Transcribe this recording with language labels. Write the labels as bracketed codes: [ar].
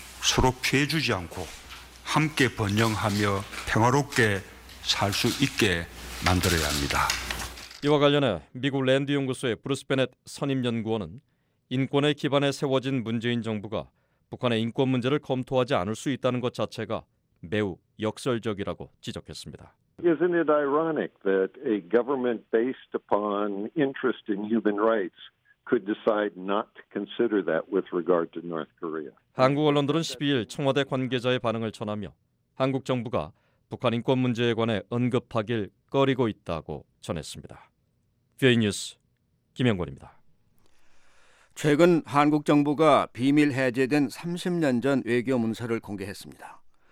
[ko] 서로 피해주지 않고 함께 번영하며 평화롭게 살 수 있게 만들어야 합니다. 이와 관련해 미국 랜드 연구소의 브루스 베넷 선임 연구원은 인권의 기반에 세워진 문재인 정부가 북한의 인권 문제를 검토하지 않을 수 있다는 것 자체가 매우 역설적이라고 지적했습니다. [en] Isn't it ironic that a government based upon interest in human rights could decide not to consider that with regard to North Korea? [ko] 한국 언론들은 12일 청와대 관계자의 반응을 전하며 한국 정부가 북한 인권 문제에 관해 언급하길 꺼리고 있다고 전했습니다. 뷰 뉴스 김영권입니다. 최근 한국 정부가 비밀 해제된 30년 전 외교 문서를 공개했습니다.